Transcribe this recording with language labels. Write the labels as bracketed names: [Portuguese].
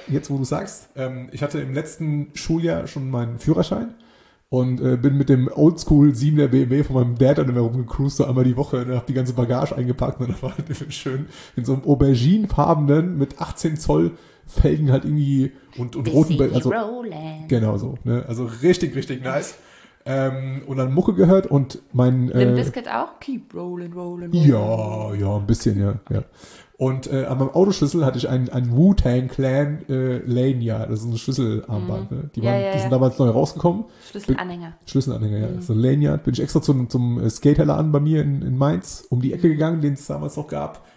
[German] jetzt wo du sagst, ich hatte im letzten Schuljahr schon meinen Führerschein und bin mit dem Oldschool 7er BMW von meinem Dad dann immer rumgecruist, so einmal die Woche, und habe die ganze Bagage eingepackt und dann war halt schön in so einem auberginefarbenen mit 18 Zoll Felgen halt irgendwie und roten, [English] Busy [German] also. Genau [English] rolling. [German] so, ne? Also richtig, richtig nice. Und dann Mucke gehört und mein... Limp Bizkit auch? [English] Keep rolling, rolling, rolling. [German] Ja, ja, ein bisschen, ja. Ja. Und an meinem Autoschlüssel hatte ich einen Wu-Tang Clan Lanyard. Das ist ein Schlüsselarmband. Ne? Die, waren, ja, ja, die sind ja damals neu rausgekommen. Schlüsselanhänger. Schlüsselanhänger, ja. So ein Lanyard. Bin ich extra zum Skatehaller an bei mir in Mainz um die Ecke gegangen, den es damals noch gab.